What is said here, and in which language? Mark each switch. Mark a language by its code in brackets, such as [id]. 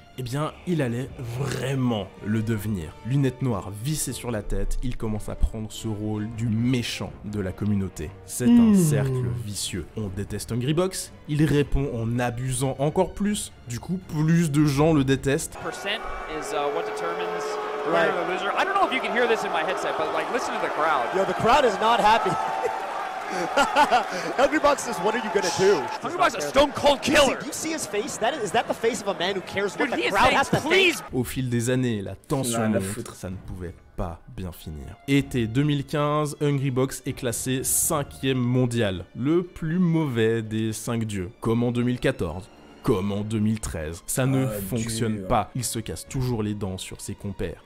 [fr] eh bien, il allait vraiment le devenir. Lunettes noires vissées sur la tête, il commence à prendre ce rôle du méchant de la communauté. C'est un cercle vicieux. On déteste Hungrybox, il répond en abusant encore plus, du coup, plus de gens le détestent. [en] Percent is what determines winner or loser. I don't know if you can hear this in my headset, but like, listen to the crowd. Yo, the crowd is not happy. Hungrybox says, what are you gonna do? Hungrybox is a stone cold killer. Do you see his face? Is that the face of a man who cares what Dude, the crowd saying, has to please. Think? [fr] Au fil des années, la tension monte, ça ne pouvait pas bien finir. Été 2015, Hungrybox est classé 5e mondial, le plus mauvais des 5 dieux, comme en 2014. Comme en 2013. Ça ne fonctionne pas. Il se casse toujours les dents sur ses compères.